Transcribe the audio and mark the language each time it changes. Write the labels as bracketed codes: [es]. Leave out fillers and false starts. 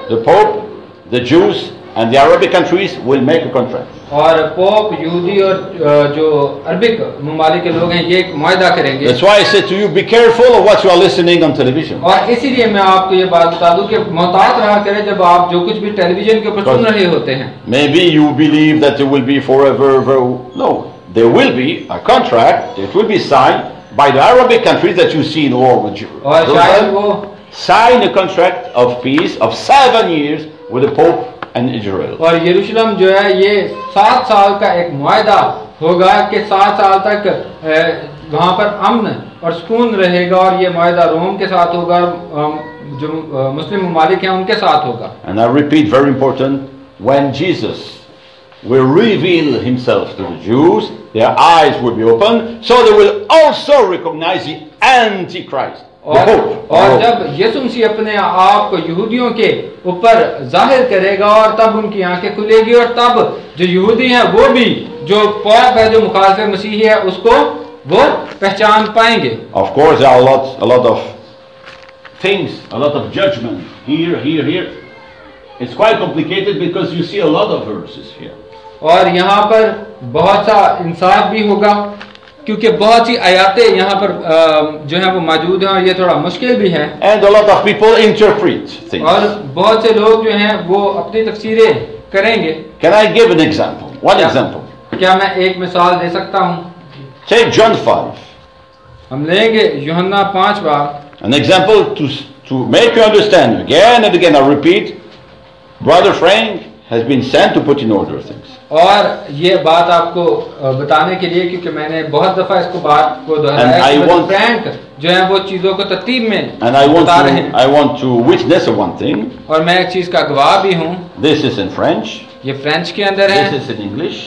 [en] The Pope, the Jews, and the Arabic countries will make a contract. [hi] और pope यहूदी और जो Arabic ममालिक के लोग हैं ये एक मुआहदा करेंगे. [en] That's why I said to you, be careful of what you are listening on television. [hi] और इसीलिए मैं आपको ये बात बता दूं कि मोहतात रहा करें जब आप जो कुछ भी टेलीविजन के ऊपर सुन रहे होते हैं. [en] Maybe you believe that there will be forever, no, there will be a contract. It will be signed by the Arabic countries that you see in war with you. [hi] और शायद वो [en] sign a contract of peace of 7 years with the Pope and Israel. [hi] और यरूशलम जो है ये 7 साल का एक मुआहदा होगा कि 7 साल तक वहाँ पर अमन और सुकून रहेगा. और ये मुआहदा रोम के साथ होगा, जो मुस्लिम ममालिक हैं उनके साथ होगा. [en] And I repeat, very important, when Jesus will reveal himself to the Jews, their eyes will be opened, so they will also recognize the Antichrist. [hi] और जब यीशु मसीह अपने आप को यहूदियों के ऊपर जाहिर करेगा और तब उनकी आंखें खुलेगी और तब जो यहूदी हैं वो भी जो पाप है, जो मुखालिफ मसीही है, उसको वो पहचान पाएंगे. [en] Of course there are a lot of things, a lot of judgment here. It's quite complicated because you see a lot of verses here. [hi] और यहाँ पर बहुत सा इंसाफ भी होगा क्योंकि बहुत सी आयतें यहाँ पर जो है वो मौजूद हैं और ये थोड़ा मुश्किल भी है. [en] And a lot of people interpret things. [hi] और बहुत से लोग जो हैं वो अपनी तफसीरें करेंगे. [en] Can I give an example? What example? [hi] क्या मैं एक मिसाल दे सकता हूँ? [en] Say John 5. [hi] हम लेंगे यूहन्ना 5 बार. [en] An example to make you understand. Again and again, I repeat, Brother Frank has been sent to put in order things. [hi] और ये बात आपको बताने के लिए क्योंकि मैंने बहुत दफा इसको बात को दोहराया है, फ्रैंक जो है वो चीजों को तरतीब में बता रहे हैं. [en] I want to witness one thing. [hi] और मैं एक चीज का गवाह भी हूँ. [en] This is in French. [hi] ये फ्रेंच के अंदर है. [en] This is in English.